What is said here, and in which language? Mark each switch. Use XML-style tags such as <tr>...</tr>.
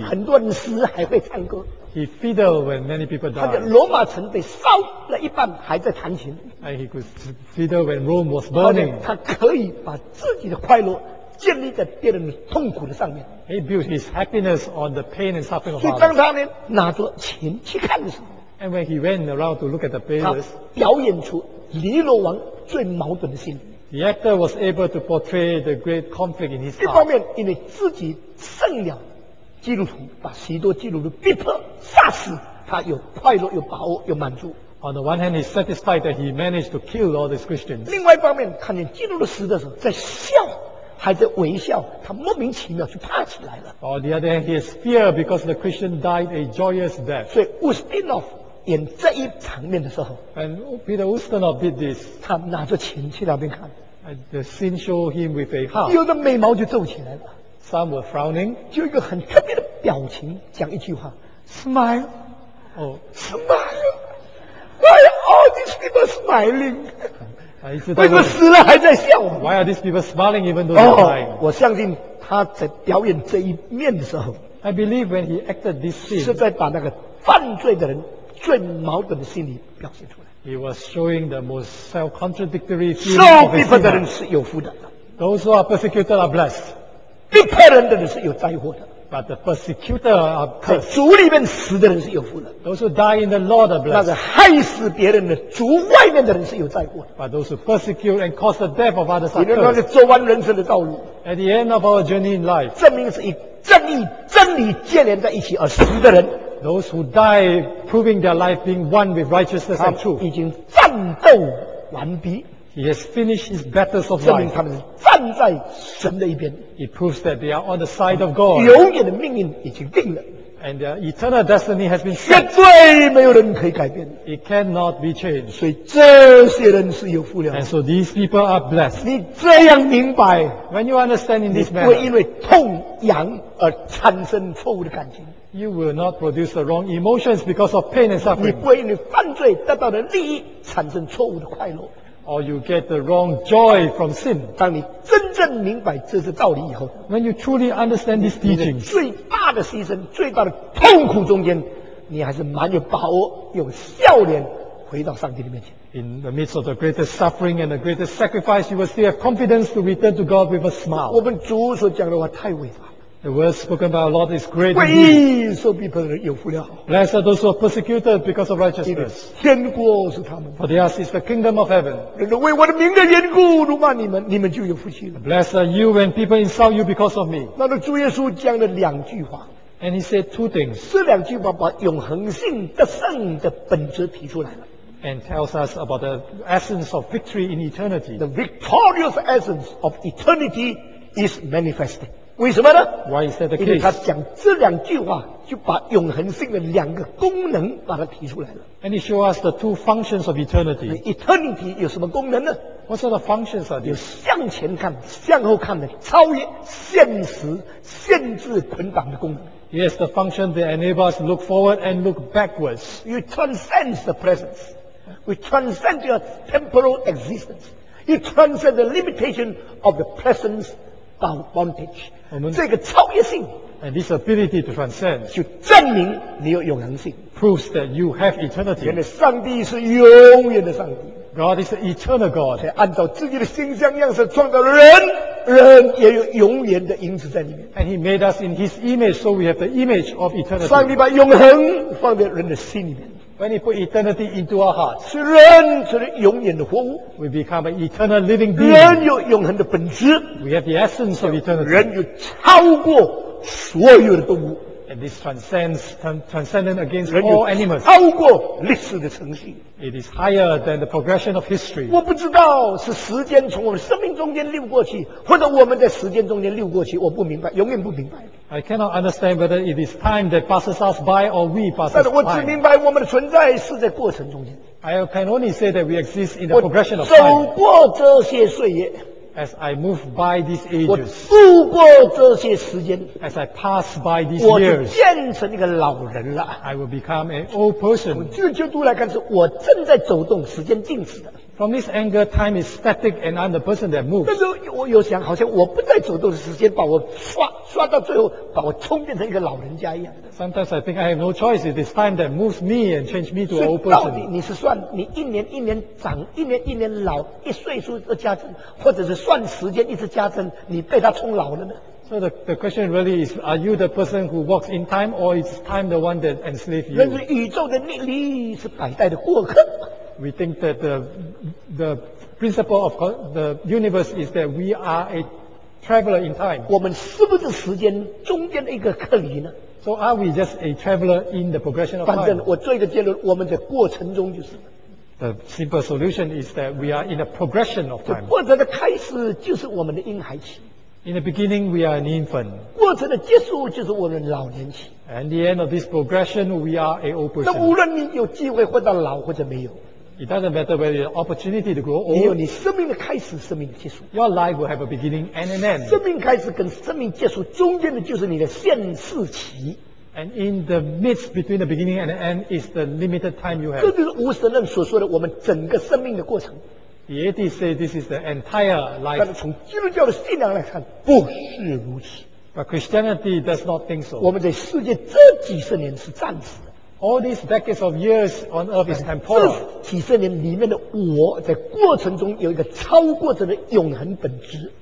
<zh>很多人死还会唱歌。</zh> <en>He fiddled when many people died.</en> <zh>他在罗马城被烧了一半还在弹琴。</zh> <en>And he could fiddle when Rome was burning.</en> <zh>他可以把自己的快乐建立在别人的痛苦的上面。</zh> <en>He built his happiness on the pain and suffering of others.</en> <zh>所以当他呢拿着琴去看的时候。</zh> <en>And when he went around to look at the players.</en> <zh>他表演出尼罗王最矛盾的心理。</zh> <en>The actor was able to portray the great conflict in his heart.</en> <zh>一方面因为自己胜了基督徒，把许多基督徒逼迫杀死，他有快乐，有把握，有满足。</zh> <en>On the one hand, he's satisfied that he managed to kill all these Christians.</en> <zh>另外一方面，看见基督徒死的时候，在笑，还在微笑，他莫名其妙就怕起来了。</zh> <en>On the other hand, he has fear because the Christian died a joyous death.</en> <zh>所以 Ustinov 演这一场面的时候</zh> <en>，And Peter Ustinov did this.</en> <zh>他拿着琴去那边看</zh> <en>，And the scene showed him with a harp.</en> <zh>有的眉毛就皱起来了。</zh> <en>Some were frowning.</en> <zh>就一个很特别的表情讲一句话</zh> <en>smile 哦、oh. smile why all these people smiling</en> <zh>为什么死了还在笑</zh> <en>why are these people smiling even though they're dying、</en> <zh>oh, 我相信他在表演这一面的时候</zh> <en>I believe when he acted this scene</en> <zh>是在把那个犯罪的人最矛盾的心理表现出来</zh> <en>he was showing the most self-contradictory show people</en> <zh>的人是有福的</zh> <en>those who are persecuted are blessed</en> <zh>被骗人的人是有灾祸的</zh> <en>but the persecutor are cursed</en> <zh>在主里面死的人是有福的</zh> <en>those who die in the Lord are blessed</en> <zh>那个害死别人的主外面的人是有灾祸的</zh> <en>but those who persecute and cause the death of others are cursed</en> <zh>你能够走完人生的道路</zh> <en>At the end of our journey in life,</en> <zh>证明是以正义、真理接连在一起而死的人</zh> <en>those who die proving their life being one with righteousness and truth,</en> <zh>已经战斗完毕</zh> <en>he has finished his battles of life,</en> <zh>证明他们是站在神的一边</zh> <en>it proves that they are on the side of God,</en> <zh>永远的命运已经定了</zh> <en>and their eternal destiny has been set,</en> <zh>绝对没有人可以改变</zh> <en>it cannot be changed,</en> <zh>所以这些人是有福了</zh> <en>and so these people are blessed,</en> <zh>你这样明白</zh> <en>When you understand in this manner,</en> <zh>你不会因为痛痒而产生错误的感情。</zh> <en>You will not produce the wrong emotions because of pain and suffering.</en> <zh>你不会因为犯罪得到的利益产生错误的快乐。</zh> <en>Or you get the wrong joy from sin.</en> <zh>当你真正明白这些道理以后</zh> <en>，When you truly understand these teachings,</en> <zh>你最大的牺牲、最大的痛苦中间，你还是蛮有把握、有笑脸回到上帝的面前。</zh> <en>In the midst of the greatest suffering and the greatest sacrifice, you will still have confidence to return to God with a smile.</en> <zh>我们主所讲的话太伟大。</zh> <en>The words spoken by our Lord is great.</en> <zh>为受逼迫的人有福了。</zh> <en>Blessed are those who are persecuted because of righteousness.</en> <zh>天国是他们。</zh> <en>For theirs is the kingdom of heaven.</en> <zh>人为我的名的缘故辱骂你们，你们就有福气了。</zh> <en>Blessed are you when people insult you because of me.</en> <zh>那个主耶稣讲了两句话。</zh> <en>And he said two things.</en> <zh>这两句话把永恒性得胜的本质提出来了。</zh> <en>And tells us about the essence of victory in eternity. The victorious essence of eternity is manifesting.</en> <zh>为什么呢？</zh> <en>Why is that the case?</en> <zh>因为他讲这两句话，就把永恒性的两个功能把它提出来了。</zh> <en>And he shows us the two functions of eternity.</en> <zh>Eternity 有什么功能呢？</zh> <en>What sort of functions are these?</en> <zh>有向前看、向后看的超越现实限制捆绑的功能。</zh> <en>Yes, the function that enables look forward and look backwards. You transcend the presence. You transcend your temporal existence. You transcend the limitation of the presence bondage.</en> <zh>这个超越性</zh> <en>and this ability to transcend</en> <zh>就证明你有永恒性</zh> <en>proves that you have eternity.</en> <zh>原来上帝是永远的上帝</zh> <en>God is the eternal God.</en> <zh>才按照自己的形象样式创造人。人也有永远的影子在里面。</zh> <en>And he made us in his image, so we have the image of eternity.</en> <zh>上帝把永恒放在人的心里面。</zh> <en>When he put eternity into our hearts,</en> <zh>人成了永远的活物。</zh> <en>We become an eternal living being.</en> <zh>人有永恒的本质。</zh> <en>We have the essence of eternity.</en> <zh>人有超过所有的动物。</zh> <en>And this transcends transcendent against all animals.</en> <zh>超过历史的程序。</zh> <en>It is higher than the progression of history.</en> <zh>我不知道是时间从我们生命中间溜过去，或者我们在时间中间溜过去，我不明白，永远不明白。</zh> <en>I cannot understand whether it is time that passes us by or we pass by.</en> <zh>但是我只明白我们的存在是在过程中间。</zh> <en>I can only say that we exist in the progression of time.</en> <zh>走过这些岁月。</zh> <en>As I move by these ages,</en> <zh>我度过这些时间</zh> <en>as I pass by these years,</en> <zh>我就变成一个老人了</zh> <en>I will become an old person.</en> <zh>从这个角度来看是我正在走动时间静止的</zh> <en>From this angle, time is static and I'm the person that moves.</en> <zh>但是我有想好像我不在走动时间把我刷到最后把我冲变成一个老人家一样</zh> <en>Sometimes I think I have no choice. It is time that moves me and changes me to an old person.</en> <zh>所以到底你是算你一年一年长一年一年老一岁数的加增或者是算时间一直加增你被他冲老了呢</zh> <en>So the question really is are you the person who walks in time or is time the one that enslaves you?</en> <zh>人是宇宙的逆历是百代的过客</zh> <en>We think that the principle of the universe is that we are a traveler in time.</en> <zh>我们是不是时间中间的一个客旅呢</zh> <en>So are we just a traveler in the progression of time?</en> <zh>反正我做一个结论我们在过程中就是</zh> <en>The simple solution is that we are in a progression of time.</en> <zh>过程的开始就是我们的婴孩期。</zh> <en>In the beginning, we are an infant.</en> <zh>过程的结束就是我们的老年期。</zh> <en>And the end of this progression, we are an old person.</en> <zh>那无论你有机会活到老或者没有。</zh> <en>It doesn't matter whether you have opportunity to grow old.</en> <zh>你有你生命的开始，生命的结束。</zh> <en>Your life will have a beginning and an end.</en> <zh>生命开始跟生命结束中间的就是你的限制期。</zh> <en>And in the midst between the beginning and the end is the limited time you have.</en> <zh>这就是无神论所说的我们整个生命的过程。</zh> <en>The atheists say this is the entire life.</en> <zh>但是从基督教的信仰来看，不是如此。</zh> <en>But Christianity does not think so.</en> <zh>我们在世界这几十年是暂时的。</zh> <en>All these decades of years on earth is temporal.</en> <zh>这几十年里面的我在过程中有一个超过者的永恒本质。</zh>